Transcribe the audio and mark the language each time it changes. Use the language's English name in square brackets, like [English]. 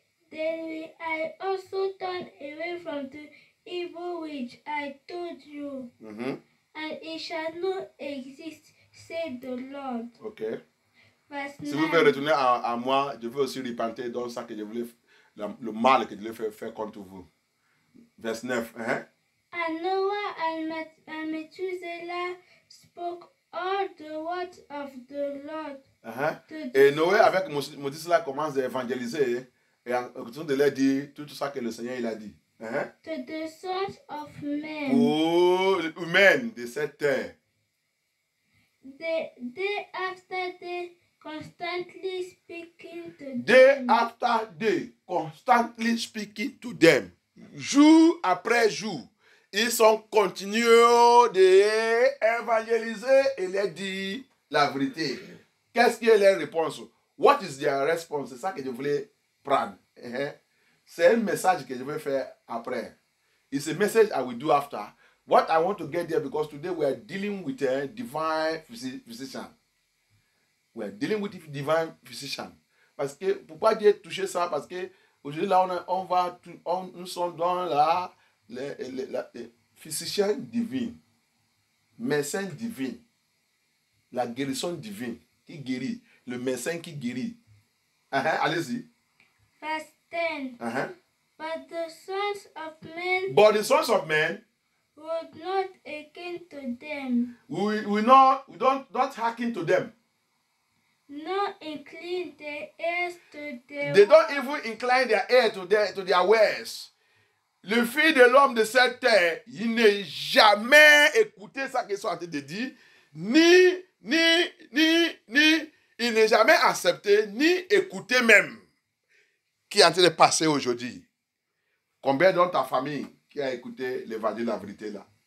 [English] Then I also turn away from the evil which I told you. And it shall not exist. Said the Lord. [French] Okay. Si vous voulez retourner à moi, je veux aussi repentir dans ça que je voulais le mal que je voulais faire contre vous. [English] Verse 9. And Noah and Methuselah spoke all the words of the Lord. [French] Et Noé avec Methuselah commence à évangéliser et en continuant de leur dire tout ça que le Seigneur il a dit. [English] hein? The descent of men. Oh, men, [French] de cette terre. [English] Day after day, constantly speaking to them. [French] Jour après jour, ils sont continuels d'évangéliser et leur dire la vérité. Qu'est-ce qui est leur réponse? [English] What is their response? [French] C'est ça que je voulais prendre. C'est un message que je vais faire après. [English] It's a message I will do after. What I want to get there, because today we are dealing with a divine physician. We are dealing with a divine physician. [French] Parce que, pourquoi Dieu a touché ça? Parce que aujourd'hui, là, nous sommes dans le physicien divin, médecin divin, la guérison divine qui guérit, le médecin qui guérit. Allez-y. [English] Verse 10. But the sons of men. But the sons of men. Would not hearken to them. We don't hearken to them. Not incline their ears to them. They don't even incline their ear to their words. [French] Le fils de l'homme de cette terre, il n'est jamais écouté ça qu'ils sont en train de dire, ni, il n'est jamais accepté, ni écouté même, qui est en train de passer aujourd'hui. Combien dans ta famille qui a écouté l'évangile de la vérité là?